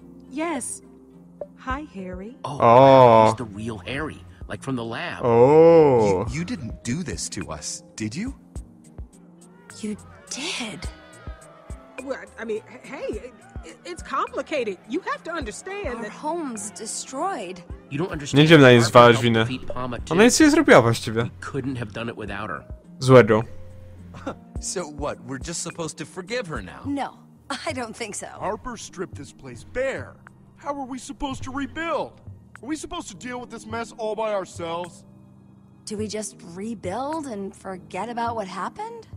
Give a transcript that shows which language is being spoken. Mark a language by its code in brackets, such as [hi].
[en] Yes. Hi, Harry. Oh, oh. Wow, he's the real Harry. Like from the lab. Oh. You didn't do this to us, did you? You did. Well, I mean, hey, it's complicated. You have to understand our that our home's destroyed. You don't understand. [pl] Nie wiem, na nie zwalać winę. Ona nic nie zrobiła właściwie. [en] We couldn't have done it without her. [pl] Złego. [en] So what? We're just supposed to forgive her now? No, I don't think so. Harper stripped this place bare. How are we supposed to rebuild? Are we supposed to deal with this mess all by ourselves? Do we just rebuild and forget about what happened?